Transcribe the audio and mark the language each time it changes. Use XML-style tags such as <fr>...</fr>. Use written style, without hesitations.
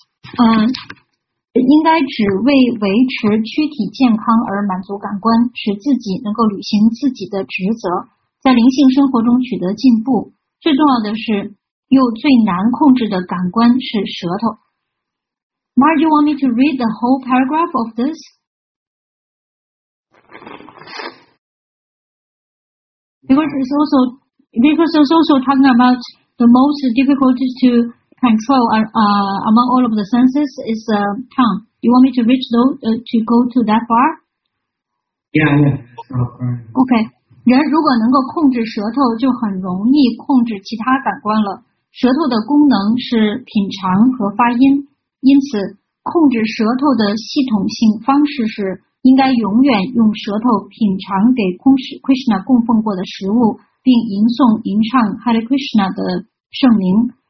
<zh>应该只为维持躯体健康而满足感官，使自己能够履行自己的职责，在灵性生活中取得进步。最重要的是，又最难控制的感官是舌头。</zh> <en>Mar, do you want me to read the whole paragraph of this? Because it's also talking about the most difficult to control among all of the senses is the tongue. You want me to reach those, to go to that far? Yeah. Okay.</en> <zh>人如果能够控制舌头，就很容易控制其他感官了。舌头的功能是品尝和发音，因此控制舌头的系统性方式是应该永远用舌头品尝给 Krishna 供奉过的食物，并吟诵吟唱 Hare Krishna 的圣名。</zh>